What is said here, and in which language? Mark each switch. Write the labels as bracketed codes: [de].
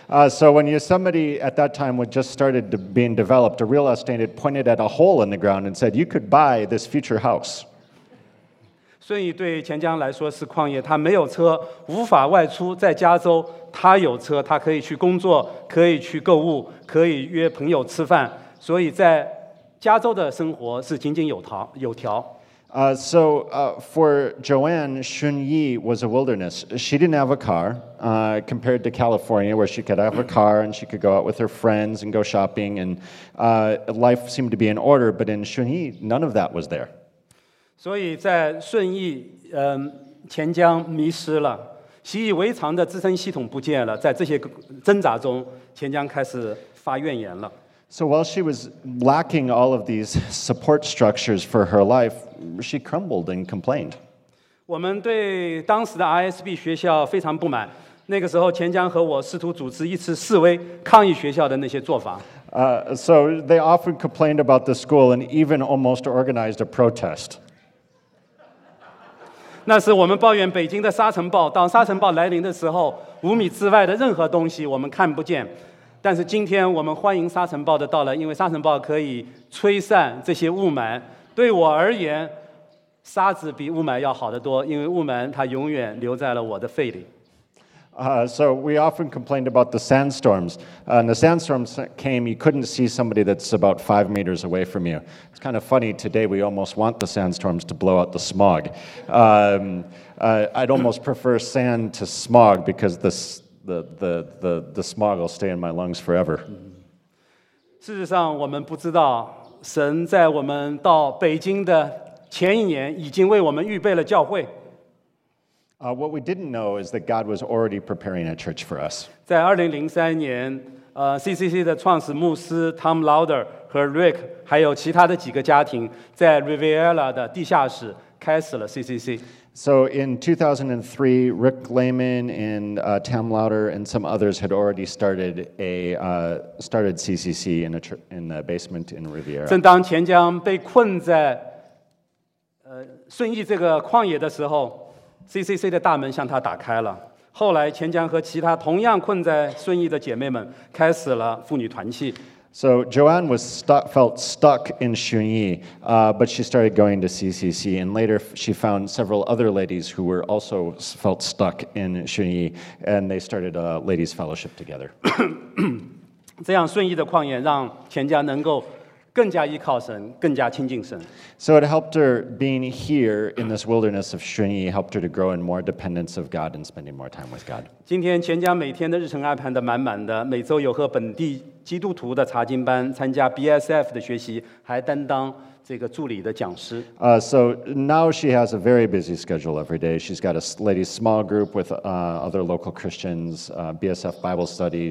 [en] So when Yosemite at that time was just started being developed, a real estate had pointed at a hole in the ground and said, you could buy this future house. [zh] 顺义对钱江来说是旷野，他没有车，无法外出，在加州他有车，他可以去工作，可以去购物，可以约朋友吃饭。所以在加州的生活是井井有条。 [en] For Joanne, Shunyi was a wilderness. She didn't have a car, compared to California, where she could have a car and she could go out with her friends and go shopping, and life seemed to be in order. But in Shunyi, none of that was there. [zh] 所以在顺义，钱江迷失了，习以为常的支撑系统不见了。在这些挣扎中，钱江开始发怨言了。 [en] So while she was lacking all of these support structures for her life, she crumbled and complained. [zh] 我们对当时的 RSB 学校非常不满。那个时候，钱江和我试图组织一次示威，抗议学校的那些做法。 [en] So they often complained about the school and even almost organized a protest. [zh] 那是我们抱怨北京的沙尘暴。当沙尘暴来临的时候，五米之外的任何东西我们看不见。但是今天我们欢迎沙尘暴的到来，因为沙尘暴可以吹散这些雾霾。对我而言，沙子比雾霾要好得多，因为雾霾它永远留在了我的肺里。 [en] So we often complained about the sandstorms. And the sandstorms came, you couldn't see somebody that's about 5 meters away from you. It's kind of funny, today we almost want the sandstorms to blow out the smog. I'd almost prefer sand to smog because the smog will stay in my lungs forever. [zh] 事实上我们不知道神在我们到北京的前一年已经为我们预备了教会。 [en] What we didn't know is that God was already preparing a church for us. [zh] 在2003年，CCC 的创始牧师 Tom Lauder 和 Rick 还有其他的几个家庭在 Riviera 的地下室开始了 CCC。 [en] So in 2003, Rick Lehman and Tam Lauder and some others had already started started CCC in the basement in Riviera. [zh] 正当钱江被困在顺义这个旷野的时候 ，CCC 的大门向他打开了。后来，钱江和其他同样困在顺义的姐妹们开始了妇女团契。 [en] So Joanne felt stuck in Shunyi, but she started going to CCC, and later she found several other ladies who were also felt stuck in Shunyi, and they started a ladies' fellowship together. [zh] 这样顺义的旷野让钱家能够更加依靠神，更加亲近神。 [en] So it helped her being here in this wilderness of Shunyi, helped her to grow in more dependence of God and spending more time with God. [zh] 今天钱家每天的日程安排的满满的，每周有和本地基督徒的查经班，参加 BSF 的学习，还担当这个助理的讲师。 [en] So now she has a very busy schedule every day. She's got a ladies' small group with other local Christians, BSF Bible study.